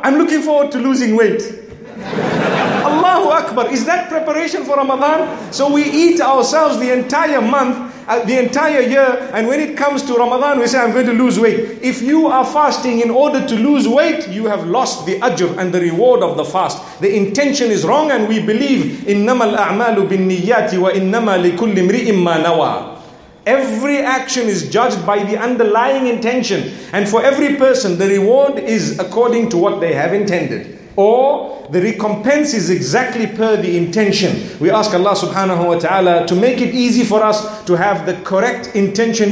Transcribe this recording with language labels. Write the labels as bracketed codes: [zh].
[en] I'm looking forward to losing weight. Allahu Akbar. Is that preparation for Ramadan? So we eat ourselves the entire month, the entire year. And when it comes to Ramadan, we say, I'm going to lose weight. If you are fasting in order to lose weight, you have lost the ajr and the reward of the fast. The intention is wrong. And we believe, [ar] إِنَّمَا الْأَعْمَالُ بِالنِّيَّاتِ وَإِنَّمَا لِكُلِّ امْرِئٍ مَّا نَوَىٰ. [en] Every action is judged by the underlying intention. And for every person, the reward is according to what they have intended. Or the recompense is exactly per the intention. We ask Allah subhanahu wa ta'ala to make it easy for us to have the correct intention.